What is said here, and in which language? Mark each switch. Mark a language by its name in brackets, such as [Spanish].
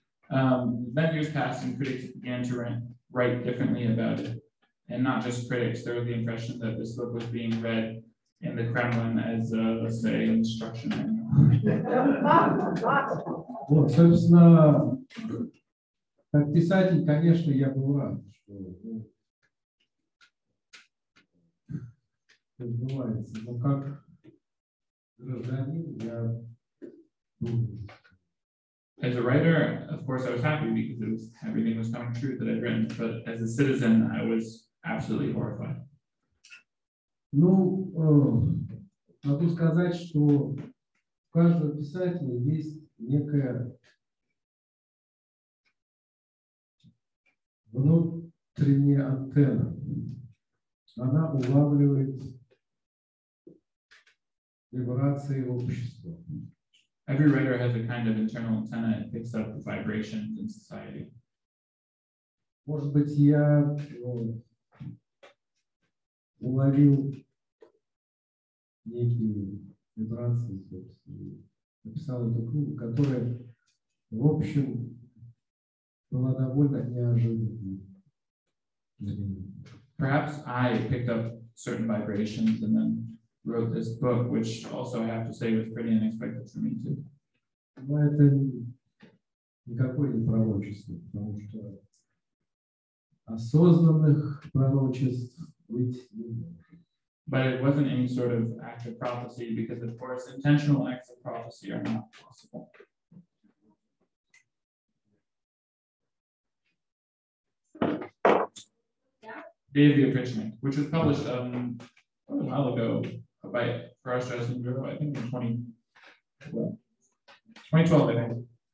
[English] Then years passed and critics began to write differently about it. And not just critics, there was the impression that this book was being read in the Kremlin as, let's say, instruction manual. [Russian] Вот, собственно, как писатель, конечно, я был рад, что сбывается. Но как гражданин, я думаю, [English] As a writer, of course, I was happy because it was, everything was coming true that I'd written, but as a citizen, I was absolutely horrified. [Russian] Ну, могу сказать, что у каждого писателя есть некая внутренняя антенна. Она улавливает вибрации общества. [English] Every writer has a kind of internal antenna that picks up the vibrations in society. [Russian] Может быть, я уловил некие вибрации, собственно, написал эту книгу, которая, в общем, была довольно неожиданной. [English] Perhaps I picked up certain vibrations and then wrote this book, which also I have to say was pretty unexpected for me too. [Russian] Но это никакое не пророчество, потому что осознанных пророчеств быть не может. [English] But it wasn't any sort of act of prophecy, because of course intentional acts of prophecy are not possible. Yeah. Day of the Opportunity, which was published quite a while ago by Frostress and Bureau, I think in 2012, I think.